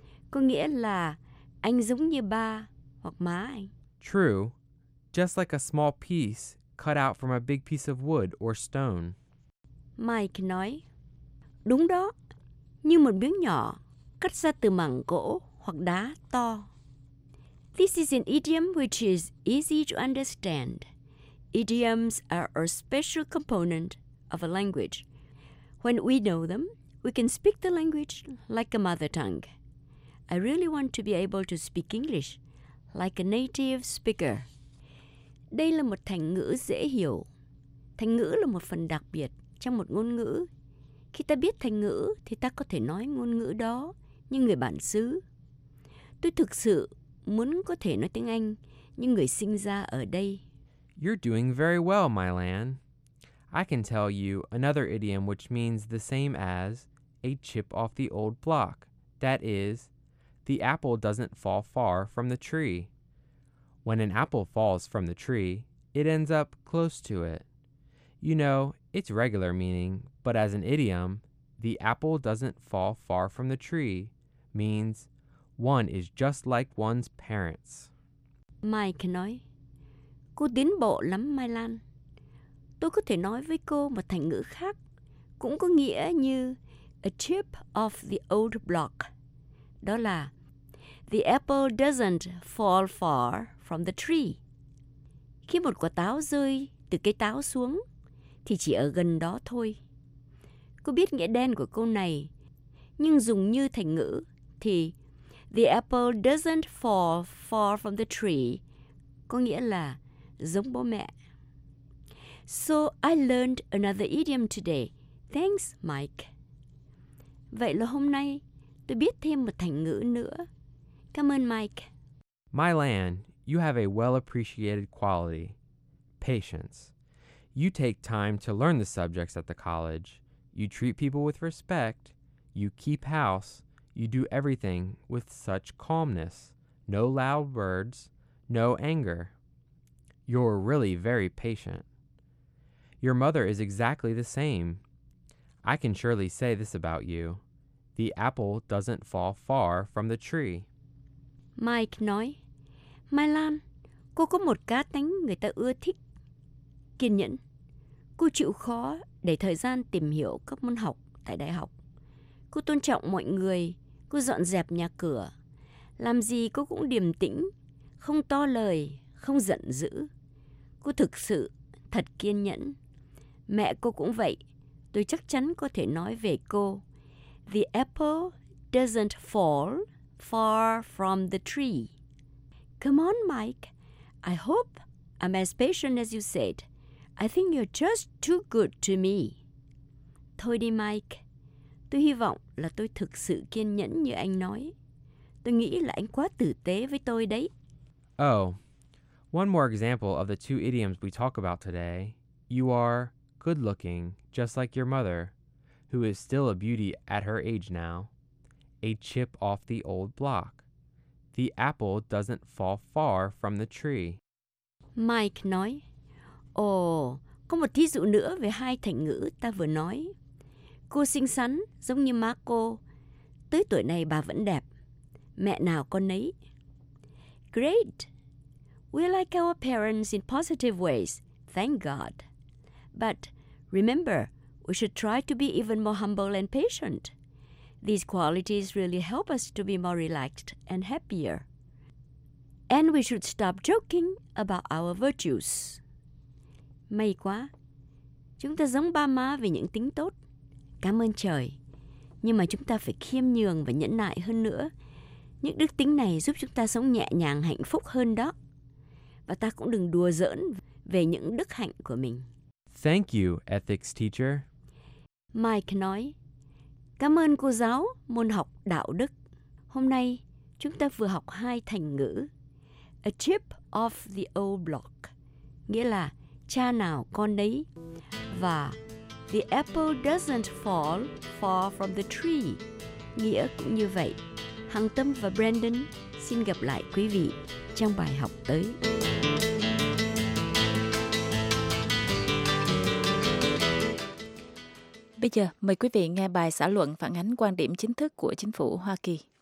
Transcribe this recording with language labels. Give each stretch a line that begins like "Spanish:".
Vietnamese: Có nghĩa là anh giống như ba hoặc má anh.
English: True, just like a small piece cut out from a big piece of wood or stone.
Vietnamese: Mike nói, đúng đó, như một miếng nhỏ cắt ra từ mảng gỗ hoặc đá to.
English: This is an idiom which is easy to understand. Idioms are a special component of a language. When we know them, we can speak the language like a mother tongue. I really want to be able to speak English like a native speaker.
Vietnamese: Đây là một thành ngữ dễ hiểu. Thành ngữ là một phần đặc biệt trong một ngôn ngữ. Khi ta biết thành ngữ thì ta có thể nói ngôn ngữ đó như người bản xứ. Tôi thực sự muốn có thể nói tiếng Anh như người sinh ra ở đây.
English: You're doing very well, My Lan. I can tell you another idiom which means the same as a chip off the old block. That is, the apple doesn't fall far from the tree. When an apple falls from the tree, it ends up close to it. You know, it's regular meaning, but as an idiom, the apple doesn't fall far from the tree means one is just like one's parents.
Vietnamese: Mike nói, cô tiến bộ lắm Mai Lan. Tôi có thể nói với cô một thành ngữ khác, cũng có nghĩa như
English: a chip off the old block.
Vietnamese: Đó là,
English: the apple doesn't fall far from the tree.
Vietnamese: Khi một quả táo rơi từ cây táo xuống, thì chỉ ở gần đó thôi. Cô biết nghĩa đen của câu này, nhưng dùng như thành ngữ thì
English: the apple doesn't fall far from the tree
Vietnamese: có nghĩa là giống bố mẹ.
English: So I learned another idiom today. Thanks, Mike.
Vietnamese: Vậy là hôm nay tôi biết thêm một thành ngữ nữa. Cảm ơn Mike.
English: My Lan, you have a well-appreciated quality, patience. You take time to learn the subjects at the college. You treat people with respect. You keep house. You do everything with such calmness. No loud words. No anger. You're really very patient. Your mother is exactly the same. I can surely say this about you. The apple doesn't fall far from the tree.
Vietnamese: Mike nói, Mai Lan, cô có một cá tính người ta ưa thích. Kiên nhẫn. Cô chịu khó để thời gian tìm hiểu các môn học tại đại học. Cô tôn trọng mọi người, cô dọn dẹp nhà cửa. Làm gì cô cũng điềm tĩnh, không to lời, không giận dữ. Cô thực sự thật kiên nhẫn. Mẹ cô cũng vậy, tôi chắc chắn có thể nói về cô.
English: The apple doesn't fall far from the tree. Come on, Mike. I hope I'm as patient as you said. I think you're just too good to me.
Vietnamese: Thôi đi Mike. Tôi hy vọng là tôi thực sự kiên nhẫn như anh nói. Tôi nghĩ là anh quá tử tế với tôi đấy.
English: Oh, one more example of the two idioms we talk about today. You are good looking, just like your mother, who is still a beauty at her age now. A chip off the old block. The apple doesn't fall far from the tree.
Vietnamese: Mike nói, ồ, có một thí dụ nữa về hai thành ngữ ta vừa nói. Cô xinh xắn, giống như má cô. Tới tuổi này bà vẫn đẹp. Mẹ nào con nấy.
English: Great. We like our parents in positive ways. Thank God. But remember, we should try to be even more humble and patient. These qualities really help us to be more relaxed and happier. And we should stop joking about our virtues.
Vietnamese: May quá. Chúng ta giống ba má về những tính tốt. Cảm ơn trời. Nhưng mà chúng ta phải khiêm nhường và nhẫn nại hơn nữa. Những đức tính này giúp chúng ta sống nhẹ nhàng hạnh phúc hơn đó. Và ta cũng đừng đùa giỡn về những đức hạnh của mình.
English: Thank you, ethics teacher.
Vietnamese: Mike nói, cảm ơn cô giáo môn học đạo đức. Hôm nay chúng ta vừa học hai thành ngữ.
English: A chip off the old block.
Vietnamese: Nghĩa là cha nào con đấy.
English: Và the apple doesn't fall far from the tree.
Vietnamese: Nghĩa cũng như vậy. Hằng Tâm và Brandon xin gặp lại quý vị trong bài học tới. Bây giờ mời quý vị nghe bài xã luận phản ánh quan điểm chính thức của chính phủ Hoa Kỳ.